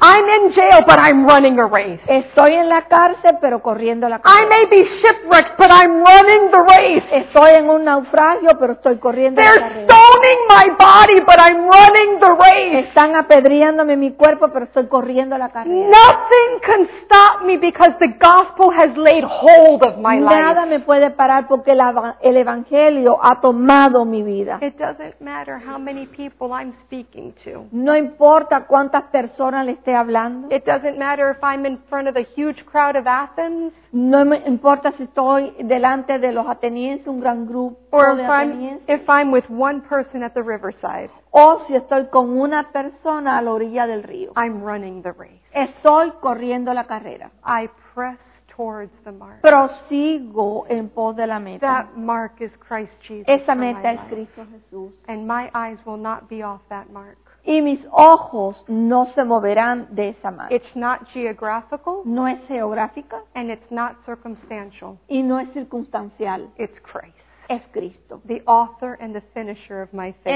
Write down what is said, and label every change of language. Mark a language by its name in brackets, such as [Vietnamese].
[English] I'm in jail, but I'm running a race. [Spanish] Estoy en la cárcel, pero corriendo la carrera. [English] I may be shipwrecked, but I'm running the race. [Spanish] Estoy en un naufragio, pero estoy corriendo [English] They're [Spanish] la carrera. [English] They're stoning my body, but I'm running the race. [Spanish] Están apedreándome mi cuerpo, pero estoy corriendo la carrera. [English] Nothing can stop me because the gospel has laid hold of my [Spanish] Nada [English] life. [Spanish] Nada me puede parar porque el evangelio ha tomado mi vida. [English] It doesn't matter how many people I'm speaking to. [Spanish] No importa cuántas personas le esté hablando. [English] It doesn't matter if I'm in front of a huge crowd of Athens. [Spanish] No me importa si estoy delante de los atenienses, un gran grupo de atenienses. [English] Or if I'm with one person at the riverside. [Spanish] O si estoy con una persona a la orilla del río. [English] I'm running the race. [Spanish] Estoy corriendo la carrera. [English] I press towards the mark. [Spanish] Prosigo en pos de la meta. [English] That mark is Christ Jesus. [Spanish] Esa meta es Cristo Jesús. [English] And my eyes will not be off that mark. [Spanish] Y mis ojos no se moverán de esa marca. [English] It's not geographical. [Spanish] No es geográfica. [English] And it's not circumstantial. [Spanish] Y no es circunstancial. [English] It's Christ. [Spanish] Es Cristo. [English] The author and the finisher of my faith.